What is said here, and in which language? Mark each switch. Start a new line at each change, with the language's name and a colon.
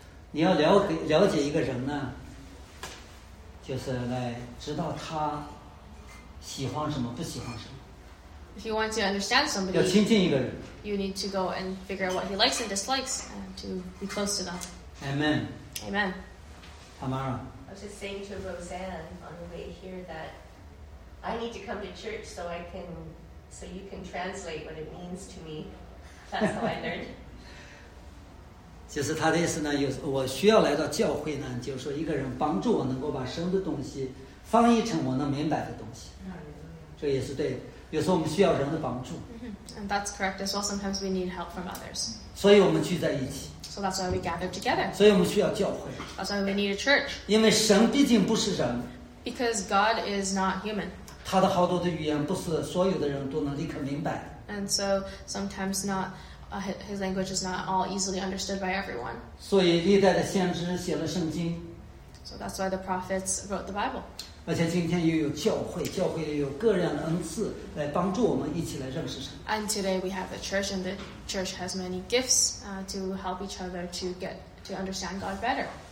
Chinese: 你要了解一个人呢，就是来知道他。喜欢什么，不喜欢什么。
English: If you want to understand somebody,
Chinese: 要亲近一个人。
English: You need to go and figure out what he likes and dislikes, and to be close to them. Amen. Amen. Tamara. I was just saying to Roseanne on the way here that I need to come to church so you can translate what it means to me. That's how I learned.
Chinese: 就是他的意思呢，我需要来到教会呢，就是说一个人帮助我能够把神的东西。翻译成我能明白的东西，这也是对的。有时候我们需要人的帮助。
English: And that's correct as well. Sometimes we need help from others.
Chinese: 所以我们聚在一起。
English: So that's why we gather together.
Chinese: 所以我们需要教会。
English: That's why we need a church.
Chinese: 因为神毕竟不是人。
English: Because God is not human.
Chinese: 他的好多的语言不是所有的人都能立刻明白。
English: And so sometimes not, his language is not all easily understood by everyone.
Chinese: 所以历代的先知写了圣经。
English: So that's why the prophets wrote the Bible.
Chinese: 而且今天又有教会，教会又有各样的恩赐来帮助我们一起来认识神。
English: And today we have the church, and the church has many gifts to help each other to understand God better.